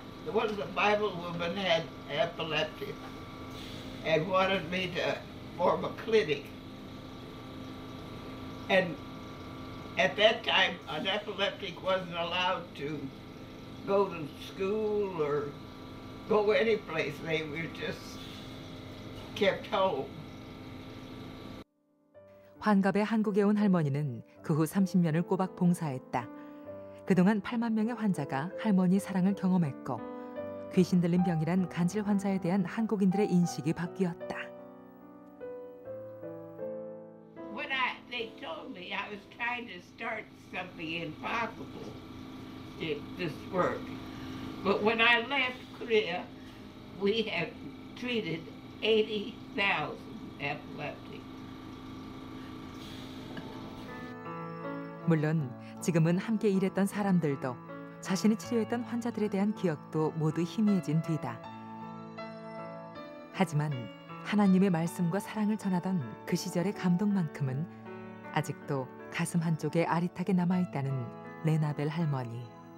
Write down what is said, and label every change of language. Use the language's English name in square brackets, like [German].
[English] The one the Bible woman had epilepsy and wanted me to form a clinic. And at that time, an epileptic wasn't allowed to go to school or go any place. They were just kept home. [Korean] 환갑에 한국에 온 할머니는 그 후 30년을 꼬박 봉사했다. 그동안 8만 명의 환자가 할머니 사랑을 경험했고 귀신 들린 병이란 간질 환자에 대한 한국인들의 인식이 바뀌었다. [English] When they told me I was trying to start something impossible, this work. But when I left Korea, we have treated 80,000 epileptics. [Korean] 물론 지금은 함께 일했던 사람들도 자신이 치료했던 환자들에 대한 기억도 모두 희미해진 뒤다. 하지만 하나님의 말씀과 사랑을 전하던 그 시절의 감동만큼은 아직도 가슴 한쪽에 아릿하게 남아있다는 레나벨 할머니.